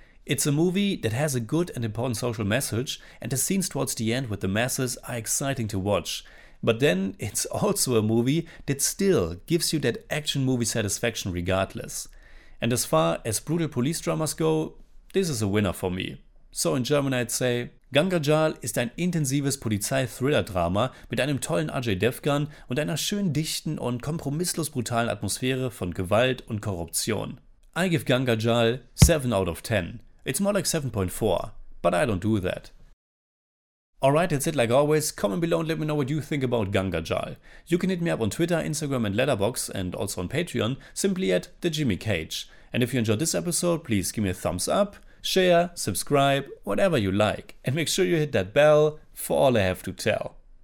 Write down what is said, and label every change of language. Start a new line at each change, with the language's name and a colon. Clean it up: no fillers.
English: It's a movie that has a good and important social message, and the scenes towards the end with the masses are exciting to watch. But then it's also a movie that still gives you that action movie satisfaction regardless. And as far as brutal police dramas go, this is a winner for me. So in German I'd say,
German: Gangaajal ist ein intensives Polizei-Thriller-Drama mit einem tollen Ajay Devgn und einer schön dichten und kompromisslos brutalen Atmosphäre von Gewalt und Korruption.
English: I give Gangaajal 7 out of 10. It's more like 7.4, but I don't do that. Alright, that's it like always. Comment below and let me know what you think about Gangaajal. You can hit me up on Twitter, Instagram and Letterboxd and also on Patreon, simply at The Jimmy Cage. And if you enjoyed this episode, please give me a thumbs up, share, subscribe, whatever you like. And make sure you hit that bell for all I have to tell.